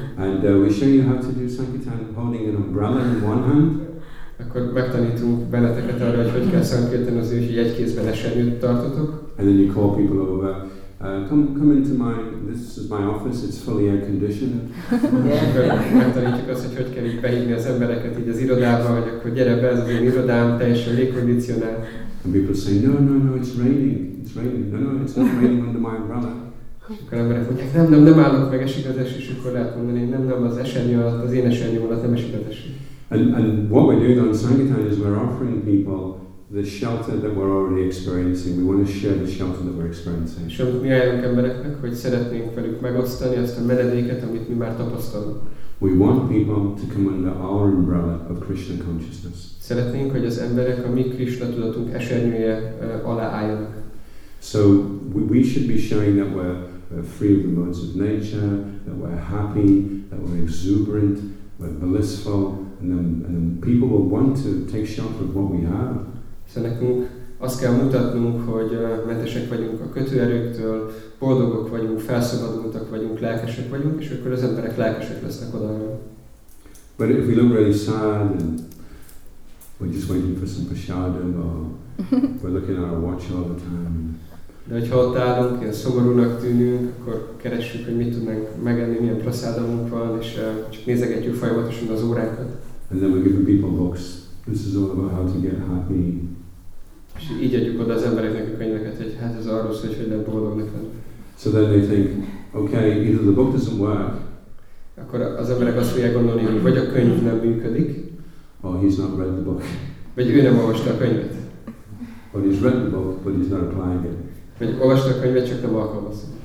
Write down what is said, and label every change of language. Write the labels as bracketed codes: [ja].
[en] And we show you how to do Sankirtan holding an umbrella in one hand. [hu] Akkor megtanítunk benneteket arra, hogy kell Sankirtan az ő, hogy egy kézben esernyőt tartotok. [en] And then you call people over. Come into my, this is my office, it's fully air conditioned. And people say, no, it's raining. No, it's not raining under my umbrella. [hu] És akkor emberek mondják, nem állok meg, esik az eső, és akkor lehet mondani, nem, az esernyő alatt, az én esernyő alatt nem esik az eső. [en] And what we're doing on Sankirtan is we're offering people the shelter that we're already experiencing. We want to share the shelter that we're experiencing. [hu] És mi ajánlunk embereknek, hogy szeretnénk velük megosztani azt a menedéket, amit mi már tapasztalunk. [en] We want people to come under our umbrella of Krishna consciousness. [hu] Szeretnénk, hogy az emberek a mi Krishna tudatunk esernyője alá álljanak. [en] So we should be showing that we're free of the modes of nature, that we're happy, that we're exuberant, we're blissful, and then people will want to take shelter of what we have. [hu] Szóval nekünk azt kell mutatnunk, hogy mentesek vagyunk a kötőerőktől, boldogok vagyunk, felszabadultak vagyunk, lelkesek vagyunk, és akkor az emberek lelkesek lesznek oda. [en] But if we look really sad and we're just waiting for some prasadam, or we're looking at our watch all the time. [hu] De hogyha ott állunk, ilyen szomorúnak tűnünk, akkor keressük, hogy mit tudnánk megenni, milyen prasadamunk van, és csak nézegetjük folyamatosan az órákat. [en] And then we're giving people books. This is all about how to get happy. [hu] És így adjuk oda az embereknek a könyveket, hogy hát ez arról szól, hogy legyen boldog neked. [en] So then they think, okay, either the book doesn't work. [hu] Akkor az emberek azt fogják gondolni, hogy vagy a könyv nem működik. [en] Or he's not read the book. [hu] Vagy ő nem olvasta a könyvet. [en] Or he's read the book, but he's not applying it. [hu] Vagy olvasta a könyvet, csak nem alkalmazza.